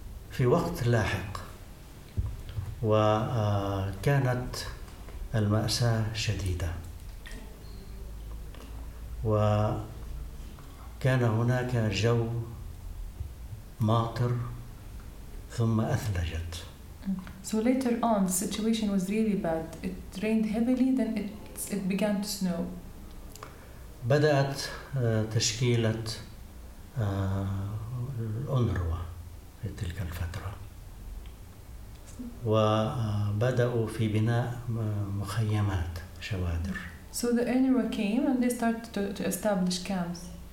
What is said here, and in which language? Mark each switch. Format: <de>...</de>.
<ar>في وقت لاحق وكانت المأساة شديدة وكان هناك جو ماطر ثم أثلجت.</ar> <en>So later on, the situation was really bad. It rained heavily, then it began to snow.</en> <ar>بدأت تشكيلة الأنروة في تلك الفترة. وبدأوا في بناء مخيمات شوادر.</ar> <en>So the UNRWA came and they started to establish camps.</en>